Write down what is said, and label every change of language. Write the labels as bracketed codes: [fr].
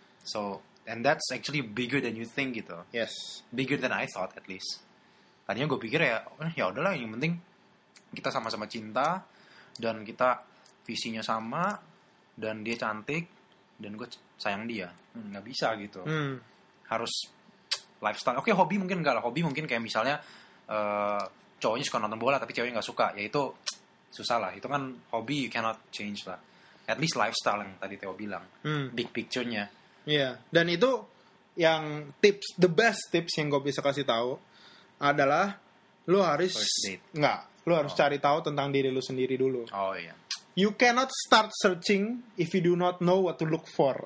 [en] So, and that's actually bigger than you think [id] gitu. [en] Yes. Bigger than I thought at least. [id] Tadinya gue pikir ya udahlah, yang penting kita sama-sama cinta dan kita visinya sama dan dia cantik dan gue sayang dia. Nggak bisa gitu. Harus lifestyle. Oke, hobi mungkin enggak lah. Hobi mungkin kayak misalnya cowoknya suka nonton bola tapi ceweknya gak suka, ya itu susah lah. Itu kan hobi, [en] you cannot change [id] lah. At least lifestyle yang tadi Theo bilang. Big picture-nya. Iya, yeah. Dan itu yang tips, [en] the best tips [id] yang gue bisa kasih tahu adalah lu harus, enggak, lu harus cari tahu tentang diri lu sendiri dulu. Oh iya. [en] You cannot start searching if you do not know what to look for.